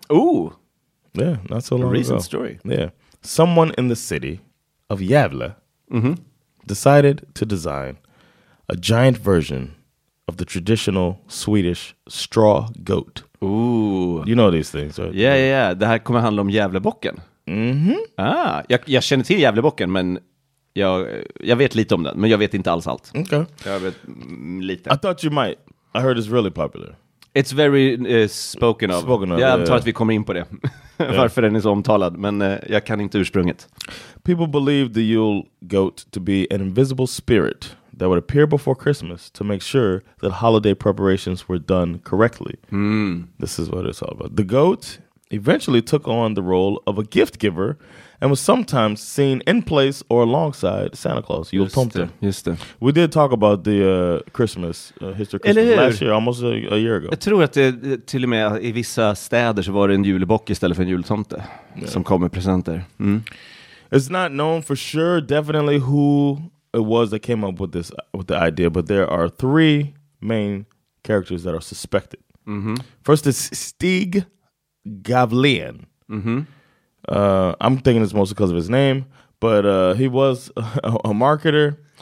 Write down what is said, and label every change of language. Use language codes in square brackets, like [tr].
[en] ooh, yeah, not so long a recent ago. Recent story, yeah. Someone in the city of Gävle decided to design a giant version of the traditional Swedish straw goat. Ooh. You know these things, right? Yeah, yeah, yeah. [sv] Det här kommer handla om Gävlebocken. Mm-hmm. Ah, jag känner till Gävlebocken, men jag vet lite om den, men jag vet inte alls allt. [en] Okay. [sv] Jag vet lite. [en] I thought you might. I heard it's really popular. It's very spoken of. Spoken of, [sv] jag tror att vi kommer in på det. Varför den är så omtalad, men jag kan inte ursprunget. [en] People believe the Yule goat to be an invisible spirit that would appear before Christmas to make sure that holiday preparations were done correctly. Mm. This is what it's all about. The goat eventually took on the role of a gift giver and was sometimes seen in place or alongside Santa Claus, Jultomten. [sv] Just det. [en] We did talk about the Christmas, history of Christmas last year, almost a year ago. [sv] Jag tror att det till och med i vissa städer så var det en julebock istället för en jultomte som kom med presenter. Mm. [en] It's not known for sure, definitely who it was that came up with this with the idea, but there are three main characters that are suspected. Mm-hmm. First is Stig Gavlian. Mm-hmm. I'm thinking it's mostly because of his name, but he was a marketer.